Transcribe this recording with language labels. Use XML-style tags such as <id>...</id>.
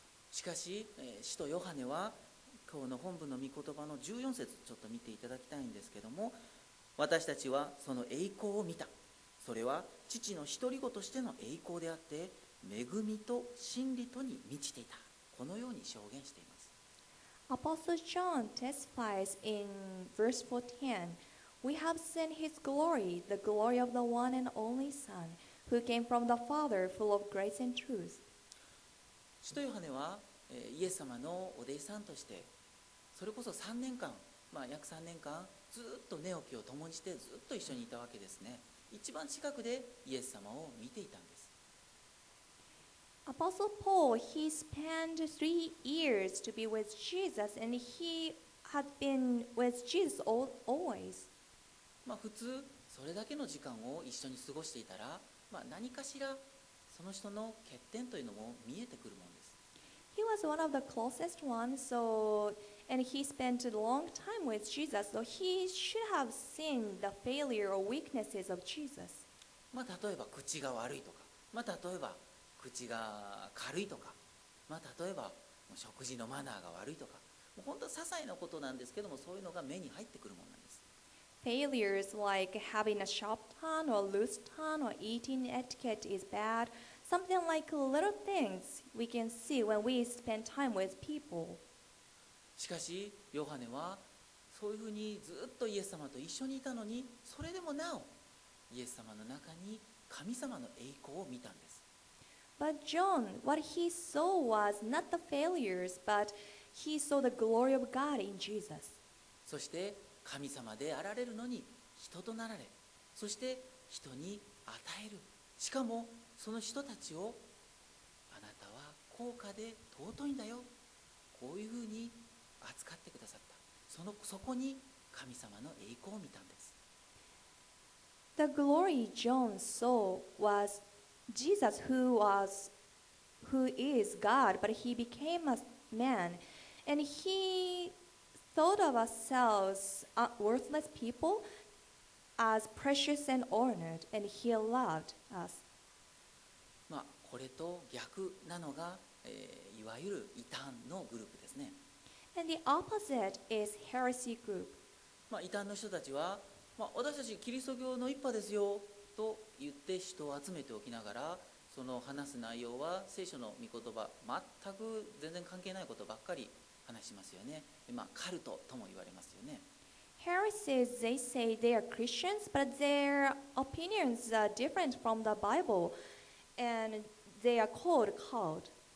<ja>しかし、使徒ヨハネは今日の本文の御言葉の14節ちょっと見ていただきたいんですけども、私たちはその栄光を見た。それは父の独り子としての栄光であって、恵みと真理とに満ちていた、このように証言しています。</ja> <en>Apostle John testifies in verse 14, We have seen his glory, the glory of the one and only Son, who came from the Father, full of grace and truth.</en> <ja>使徒ヨハネはイエス様のお弟子さんとして、それこそ3年間、まあ、約3年間ずっと寝起きを共にしてずっと一緒にいたわけですね。一番近くでイエス様を見ていたんです。</ja> <en>Apostle Paul, he spent 3 years to be with Jesus, and he had been with Jesus always.</en> <ja>まあ普通それだけの時間を一緒に過ごしていたら、まあ何かしらその人の欠点というのも見えてくるものです。</ja> <en>He was one of the closest ones, so and he spent a long time with Jesus, so he should have seen the failure or weaknesses of Jesus.</en> <ja>まあ例えば口が悪いとか、まあ例えば口が軽いとか、まあ、例えば食事のマナーが悪いとか、もう本当に些細なことなんですけども、そういうのが目に入ってくるものなんです。</ja> <en>Failures like having a sharp tongue or loose tongue or eating etiquette is bad. Something like little things we can see when we spend time with people.</en> <ja>しかし、ヨハネはそういうふうにずっとイエス様と一緒にいたのに、それでもなおイエス様の中に神様の栄光を見たんです。</ja> <en>But John, what he saw was not the failures, but he saw the glory of God in Jesus.</en> <ja>そして神様であられるのに人となられ、そして人に与える。しかもその人たちをあなたは高価で尊いんだよ。こういうふうに扱ってくださった。そこに神様の栄光を見たんです。</ja> <en>The glory John saw was Jesus, who is God, but he became a man, and he thought of ourselves, worthless people, as precious and honored, and he loved us.</en> <ja>まあこれと逆なのが、いわゆる異端のグループですね。</ja> <en>And the opposite is heresy group.</en> <ja>まあ異端の人たちは、まあ私たちキリスト教の一派ですよ。と言って人を集めておきながら、その話す内容は聖書の御言葉全く全然関係ないことばっかり話しますよね。まあカルトとも言われますよね。</ja> <en>Heresies, they say they are Christians, but their opinions are different from the Bible, and they are called cult.</en>